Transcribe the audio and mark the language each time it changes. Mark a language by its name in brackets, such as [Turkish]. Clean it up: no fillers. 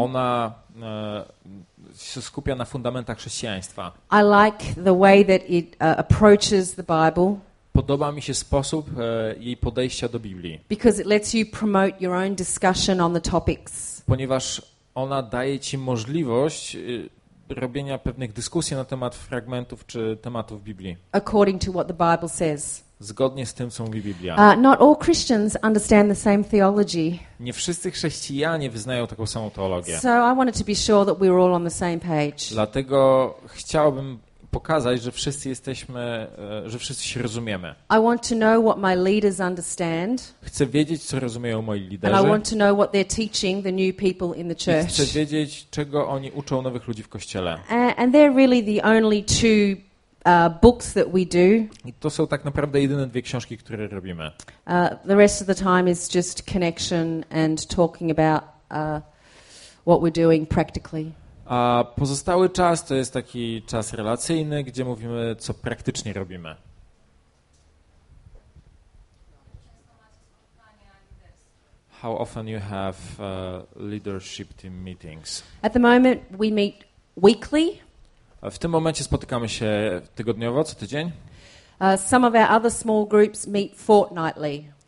[Polish] Ona się skupia na fundamentach chrześcijaństwa. [English] I like the way that it approaches the Bible. [Polish] Podoba mi się sposób jej podejścia do Biblii. [English] Because it lets you promote your own discussion on the topics. [Polish] Ponieważ ona daje ci możliwość robienia pewnych dyskusji na temat fragmentów czy tematów Biblii. [English] According to what the Bible says. [Polish] Zgodnie z tym, co mówi Biblia. [English] Not all Christians understand the same theology. [Polish] Nie wszyscy chrześcijanie wyznają taką samą teologię. [English] So I wanted to be sure that we're all on the same page. [Polish] Dlatego chciałbym pokazać, że wszyscy jesteśmy, że wszyscy się rozumiemy. [English] I want to know what my leaders understand. [Polish] Chcę wiedzieć, co rozumieją moi liderzy. [English] And I want to know what they're teaching the new people in the church. [Polish] Chcę wiedzieć, czego oni uczą nowych ludzi w kościele. [English] And they're really the only two books that we do. [Polish] I to są tak naprawdę jedyne dwie książki, które robimy. [English] The rest of the time is just connection and talking about what we're doing practically. [Polish] A pozostały czas to jest taki czas relacyjny, gdzie mówimy, co praktycznie robimy. [English] How often you have leadership team meetings? At the moment we meet weekly. [Polish] W tym momencie spotykamy się tygodniowo, co tydzień. [English] Some of our other small groups meet fortnightly.